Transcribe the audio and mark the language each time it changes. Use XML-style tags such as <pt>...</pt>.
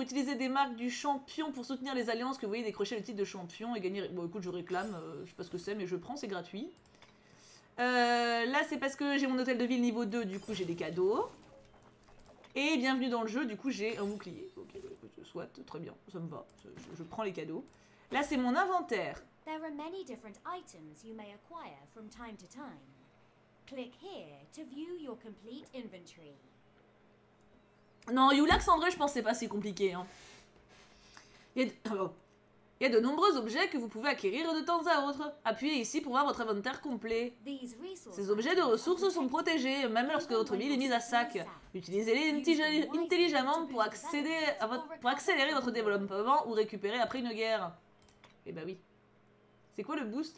<fr>Utilisez des marques du champion pour soutenir les alliances que vous voyez décrocher le titre de champion et gagner. Bon, écoute, je réclame, je sais pas ce que c'est, mais je prends, c'est gratuit. Là c'est parce que j'ai mon hôtel de ville niveau 2, du coup j'ai des cadeaux. Et bienvenue dans le jeu, du coup j'ai un bouclier. Ok, soit, très bien, ça me va, je prends les cadeaux. Là c'est mon inventaire.</fr> <en>There are many different items you may acquire from time to time. Click here to view your complete inventory.</en> <fr>Non, Yulax, en vrai je pense que c'est pas si compliqué hein. Il y a de nombreux objets que vous pouvez acquérir de temps à autre. Appuyez ici pour voir votre inventaire complet. Ces objets de ressources sont protégés, même lorsque votre ville est mise à sac. Utilisez-les intelligemment pour accéder à pour accélérer votre développement ou récupérer après une guerre. Eh ben oui. C'est quoi le boost?</fr>